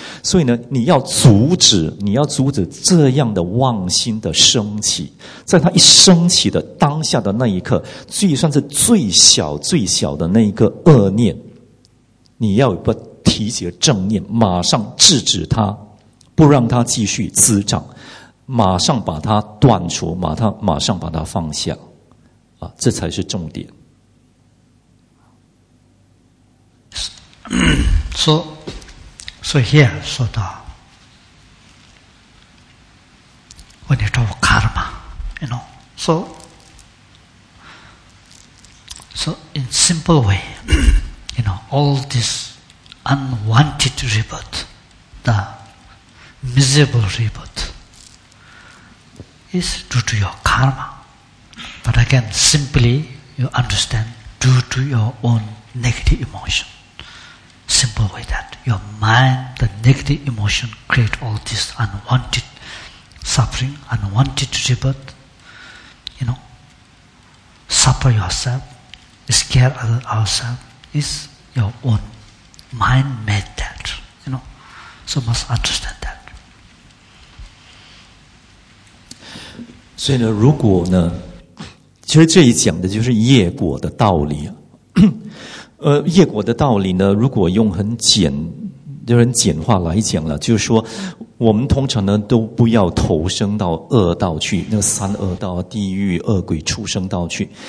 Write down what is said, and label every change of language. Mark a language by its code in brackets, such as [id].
[zh] 所以呢，你要阻止这样的妄心的升起，在它一升起的当下的那一刻，就算是最小最小的那一个恶念，你要不提起正念，马上制止它，不让它继续滋长，马上把它断除，马上把它放下啊，这才是重点。 [en] So here, so the, when you talk karma, you know, so in simple way, you know, all this unwanted rebirth, the miserable rebirth, is due to your karma. But again, simply, you understand, due to your own negative emotion. Simple way that your mind, the negative emotion create all this unwanted suffering, unwanted rebirth, you know, suffer yourself, scare ourselves, is your own mind made that, you know, so must understand that. [zh] 所以呢，如果呢，其实这里讲的就是业果的道理啊。业果的道理呢，如果用很简化来讲了，就是说我们通常呢都不要投生到恶道去，那三恶道地狱恶鬼畜生道去。